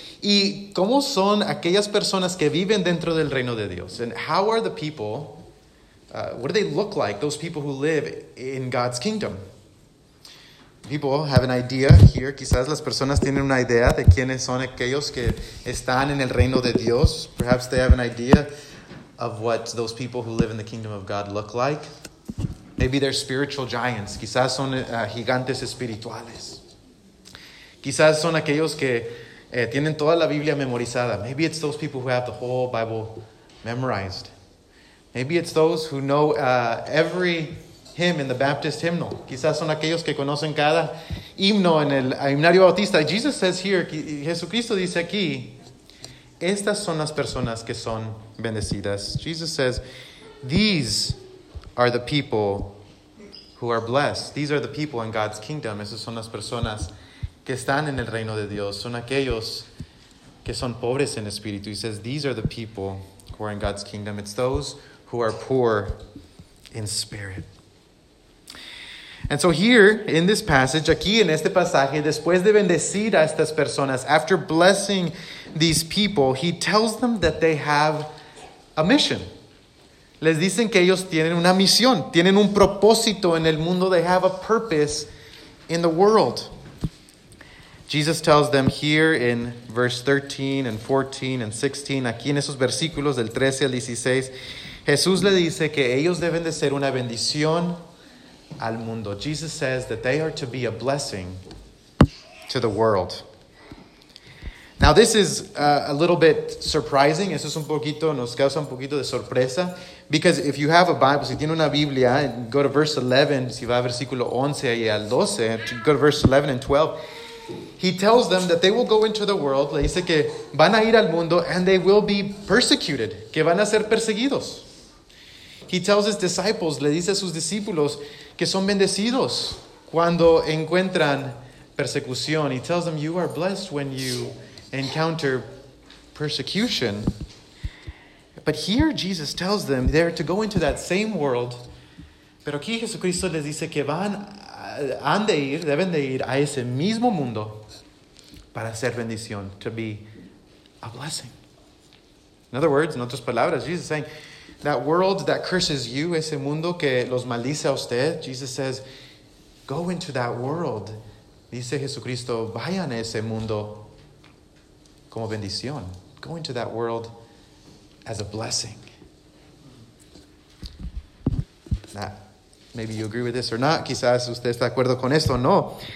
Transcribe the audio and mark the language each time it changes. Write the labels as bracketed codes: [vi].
[es] ¿Y cómo son aquellas personas que viven dentro del reino de Dios? [en] And how are the people... what do they look like, those people who live in God's kingdom? People have an idea here. [es] Quizás las personas tienen una idea de quiénes son aquellos que están en el reino de Dios. [en] Perhaps they have an idea of what those people who live in the kingdom of God look like. Maybe they're spiritual giants. [es] Quizás son gigantes espirituales. Quizás son aquellos que tienen toda la Biblia memorizada. [en] Maybe it's those people who have the whole Bible memorized. Maybe it's those who know every hymn in the Baptist hymnal. [es] Quizás son aquellos que conocen cada himno en el himnario bautista. [en] Jesus says here, [es] Jesucristo dice aquí, estas son las personas que son bendecidas. [en] Jesus says, these are the people who are blessed. These are the people in God's kingdom. [es] Esas son las personas que están en el reino de Dios. Son aquellos que son pobres en espíritu. [en] He says, these are the people who are in God's kingdom. It's those who are poor in spirit. And so here, in this passage, [es] aquí en este pasaje, después de bendecir a estas personas, [en] after blessing these people, he tells them that they have a mission. [es] Les dicen que ellos tienen una misión, tienen un propósito en el mundo, [en] they have a purpose in the world. Jesus tells them here in verse 13 and 14 and 16, [es] aquí en esos versículos del 13 al 16, Jesús le dice que ellos deben de ser una bendición al mundo. [en] Jesus says that they are to be a blessing to the world. Now, this is a little bit surprising. [es] Eso es un poquito, nos causa un poquito de sorpresa. [en] Because if you have a Bible, [es] si tiene una Biblia, [en] go to verse 11, [es] si va a versículo 11 y al 12, [en] go to verse 11 and 12. He tells them that they will go into the world, [es] le dice que van a ir al mundo, [en] and they will be persecuted, [es] que van a ser perseguidos. [en] He tells his disciples, [es] le dice a sus discípulos, que son bendecidos cuando encuentran persecución. [en] He tells them, you are blessed when you encounter persecution. But here Jesus tells them they're to go into that same world. [es] Pero aquí Jesucristo les dice que van, han de ir, deben de ir a ese mismo mundo para ser bendición, [en] to be a blessing. In other words, [es] en otras palabras, [en] Jesus is saying, that world that curses you, [es] ese mundo que los maldice a usted, [en] Jesus says, go into that world. [es] Dice Jesucristo, vayan a ese mundo como bendición. [en] Go into that world as a blessing. Now, maybe you agree with this or not. [es] Quizás usted está de acuerdo con esto o no.